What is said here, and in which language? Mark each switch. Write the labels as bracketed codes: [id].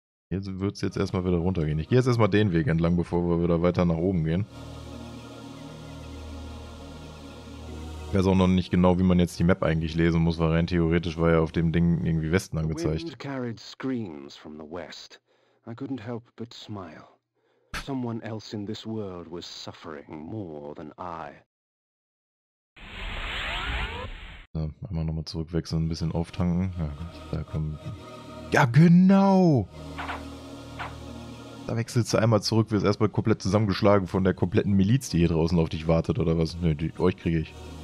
[de] Hier wird es jetzt erstmal wieder runtergehen. Ich gehe jetzt erstmal den Weg entlang, bevor wir wieder weiter nach oben gehen. weiß auch noch nicht genau, wie man jetzt die Map eigentlich lesen muss, weil rein theoretisch war ja auf dem Ding irgendwie Westen angezeigt. [en] Wind carried screams from the west. I couldn't help but smile. Someone else in this world was suffering more than I. [de] So, einmal nochmal zurückwechseln, ein bisschen auftanken. Ja, da kommen. Ja, genau! Da wechselst du einmal zurück, wirst erstmal komplett zusammengeschlagen von der kompletten Miliz, die hier draußen auf dich wartet, oder was? Nö, die, euch kriege ich.